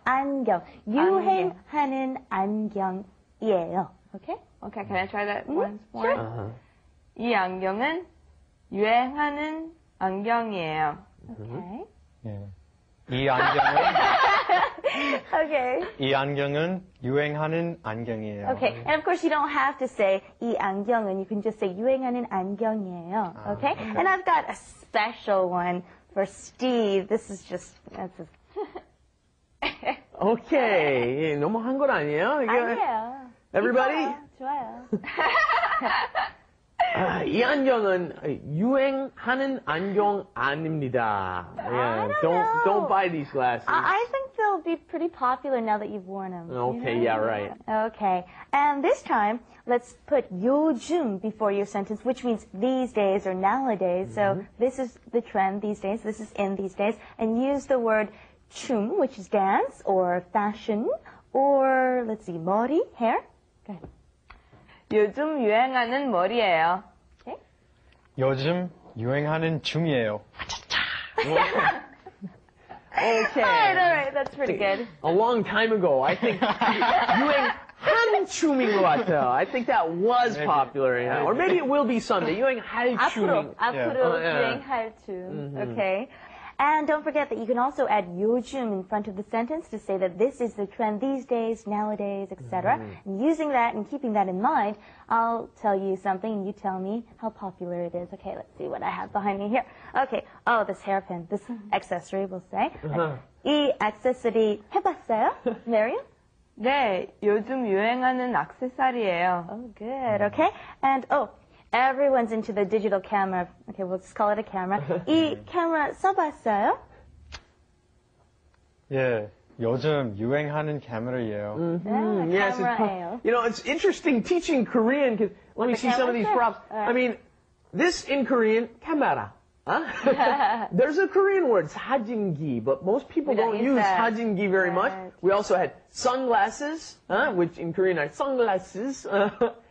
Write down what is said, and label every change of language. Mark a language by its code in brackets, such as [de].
[ko] 안경. 유행하는 안경이에요. Okay. [en] Okay. Can I try that once more? Sure. Uh-huh. [ko] 이 안경은 유행하는 안경이에요. [en] Okay. [ko] Yeah. 이 안경은 [en] okay. [ko] 이 안경은 유행하는 안경이에요. [en] Okay. And of course, you don't have to say [ko] 이 안경은. [en] You can just say [ko] 유행하는 안경이에요. [en] Okay? Okay. And I've got a special one for Steve. This is just that's a [ko] okay. 너무 한 건 아니에요? 아니에요. [en] Everybody? [ko] 좋아요. 이 안경은 유행하는 안경 아닙니다. [en] Yeah, don't buy these glasses. I think they'll be pretty popular now that you've worn them. Okay, yeah, right. Okay, and this time, let's put 요즘 before your sentence, which means these days or nowadays. Mm-hmm. So this is the trend these days, this is in these days. And use the word 춤, which is dance or fashion, or let's see, 머리, hair. Go ahead. [ko] 요즘 유행하는 머리예요. [en] Okay. [ko] 요즘 유행하는 춤이에요. [en] Okay. All right, that's pretty good. A long time ago, I think [ko] 유행하는 춤인 것 같아요. [en] I think that was maybe. Popular. Yeah. Or maybe it will be someday. [ko] 유행할 춤. 앞으로 유행할 춤. Mm-hmm. Okay. [en] And don't forget that you can also add 요즘 in front of the sentence to say that this is the trend these days, nowadays, etc. Mm-hmm. And using that and keeping that in mind, I'll tell you something and you tell me how popular it is. Okay, let's see what I have behind me here. Okay, oh, this hairpin, this accessory, we'll say. [ko] Uh-huh. 이 액세서리 해봤어요, Miriam? 네, 요즘 유행하는 액세서리예요. [en] Oh, good, okay. And, oh. Everyone's into the digital camera. Okay, we'll just call it a camera. 이 camera [ko] 써봤어요? 예, 요즘 유행하는 카메라예요. [en] Mm-hmm. Yeah, camera. It's, you know, it's interesting teaching Korean, because let me see some of these props. Right. I mean, this in Korean, 카메라. Huh? There's a Korean word, 사진기, but most people don't use 사진기 very much. We also had sunglasses, which in Korean are 선글라스.